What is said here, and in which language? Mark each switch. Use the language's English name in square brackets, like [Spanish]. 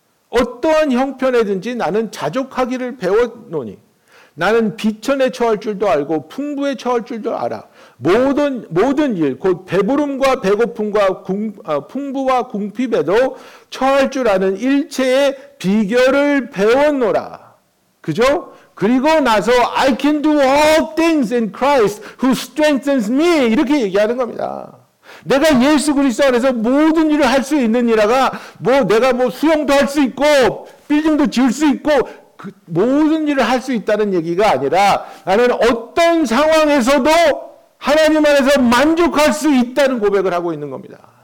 [Korean] 어떠한 형편에든지 나는 자족하기를 배웠노니 나는 비천에 처할 줄도 알고 풍부에 처할 줄도 알아. 모든 일, 곧 배부름과 배고픔과 풍부와 궁핍에도 처할 줄 아는 일체의 비결을 배웠노라. 그죠? 그리고 나서 [English] I can do all things in Christ who strengthens me [Korean] 이렇게 얘기하는 겁니다. 내가 예수 그리스도 안에서 모든 일을 할 수 있는 이라가 뭐 내가 뭐 수영도 할 수 있고 빌딩도 지을 수 있고 그 모든 일을 할 수 있다는 얘기가 아니라 나는 어떤 상황에서도 하나님 안에서 만족할 수 있다는 고백을 하고 있는 겁니다.